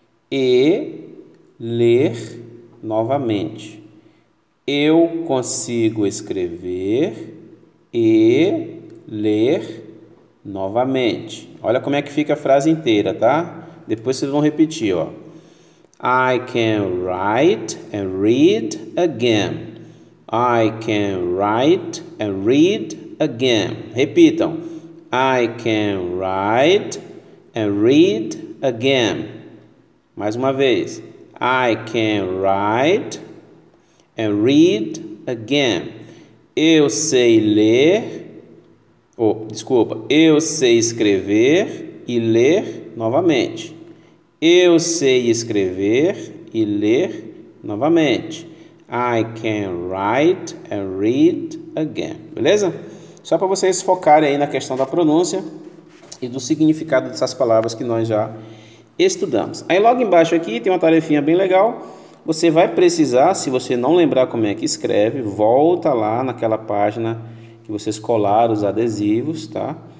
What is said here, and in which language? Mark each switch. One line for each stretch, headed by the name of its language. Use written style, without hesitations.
Portuguese: E ler novamente. Eu consigo escrever e ler novamente. Olha como é que fica a frase inteira, tá? Depois vocês vão repetir, ó.
English: I can write and read again. I can write and read again.
Portuguese: Repitam.
English: I can write and read again.
Portuguese: Mais uma vez.
English: I can write and read again.
Portuguese: Eu sei ler. Oh, desculpa. Eu sei escrever e ler novamente. Eu sei escrever e ler novamente.
English: I can write and read again.
Portuguese: Beleza? Só para vocês focarem aí na questão da pronúncia e do significado dessas palavras que nós já estudamos. Aí logo embaixo aqui tem uma tarefinha bem legal. Você vai precisar, se você não lembrar como é que escreve, volta lá naquela página que vocês colaram os adesivos, tá?